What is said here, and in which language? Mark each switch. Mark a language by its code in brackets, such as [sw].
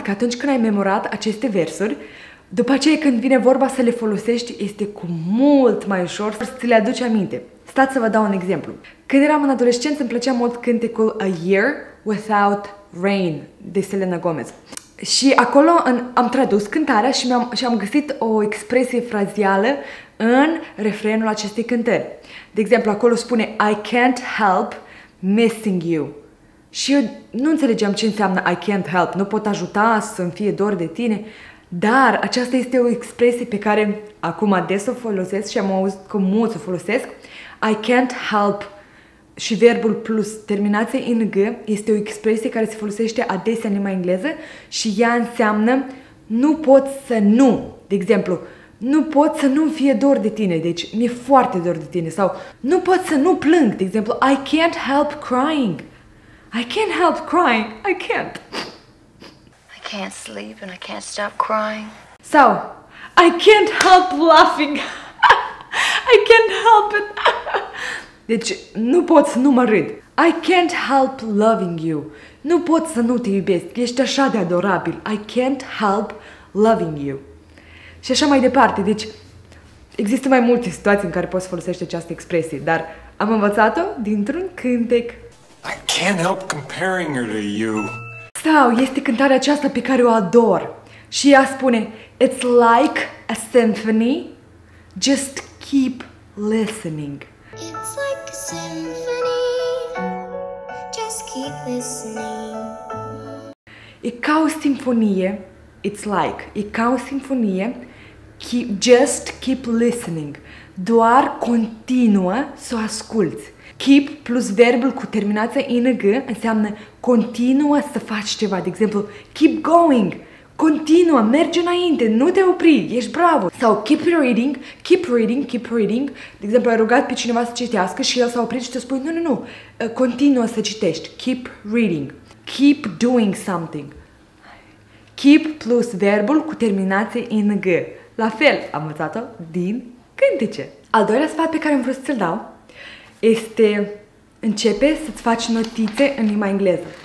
[ro] Că atunci când ai memorat aceste versuri, după aceea, când vine vorba să le folosești, este cu mult mai ușor să ți le aduci aminte. Stați să vă dau un exemplu. Când eram în adolescență, îmi plăcea mult cântecul A Year Without Rain de Selena Gomez. Și acolo am tradus cântarea și am găsit o expresie frazială în refrenul acestei cântări. De exemplu, acolo spune [en] I can't help missing you. [ro] Și eu nu înțelegeam ce înseamnă [en] I can't help, [ro] nu pot ajuta să-mi fie dor de tine. Dar aceasta este o expresie pe care acum des o folosesc și am auzit că mulți o folosesc. [en] I can't help [ro] și verbul plus terminație în g este o expresie care se folosește adesea în limba engleză și ea înseamnă nu pot să nu. De exemplu, nu pot să nu-mi fie dor de tine, deci mi-e foarte dor de tine. Sau nu pot să nu plâng, de exemplu, [en] I can't help crying. I can't help crying, I can't. I can't sleep and I can't stop crying. So, I can't help laughing. I can't help it. [ro] Deci, nu pot să nu mă râd. [en] I can't help loving you. [ro] Nu pot să nu te iubesc. Ești așa de adorabil. [en] I can't help loving you. [ro] Și așa mai departe. Deci, există mai multe situații în care poți folosește această expresie, dar am învățat-o dintr-un cântec. [en] I can't help comparing her to you. [ro] Sau este cântarea aceasta pe care o ador și ea spune [en] It's like a symphony, just keep listening. It's like a symphony, just keep listening. [ro] E ca o simfonie, [en] it's like, [ro] e ca o simfonie, [en] just keep listening. [ro] Doar continuă să o asculți. Keep plus verbul cu terminația ing înseamnă continuă să faci ceva. De exemplu, [en] keep going, [ro] continuă, mergi înainte, nu te opri, ești bravo. [en] Sau keep reading, keep reading, keep reading. [ro] De exemplu, ai rugat pe cineva să citească și el s-a oprit și te spui nu, continuă să citești, [en] keep reading, keep doing something. [ro] Keep plus verbul cu terminație ing. La fel, am învățat-o din cântece. Al doilea sfat pe care am vrut să-l dau este începe să-ți faci notițe în limba engleză.